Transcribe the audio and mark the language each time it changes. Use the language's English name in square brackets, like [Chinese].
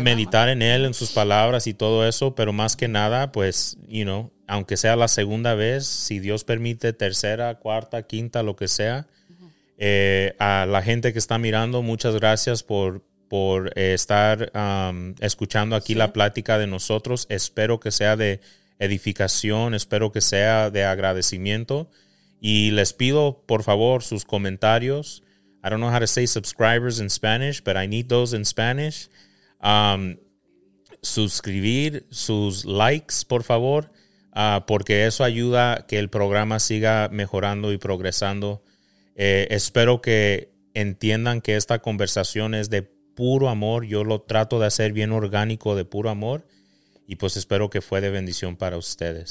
[Spanish] Meditar en Él, en sus palabras y todo eso. Pero más que nada, pues, you know, aunque sea la segunda vez, si Dios permite, tercera, cuarta, quinta, lo que sea. A la gente que está mirando, muchas gracias por estar escuchando aquí la plática de nosotros. Espero que sea de edificación, espero que sea de agradecimiento. Y les pido, por favor, sus comentarios. [English] I don't know how to say subscribers in Spanish, but I need those in Spanish. [Spanish] Suscribir, sus likes, por favor, porque eso ayuda a que el programa siga mejorando y progresando. Espero que entiendan que esta conversación es de puro amor. Yo lo trato de hacer bien orgánico, de puro amor. Y pues espero que fue de bendición para ustedes.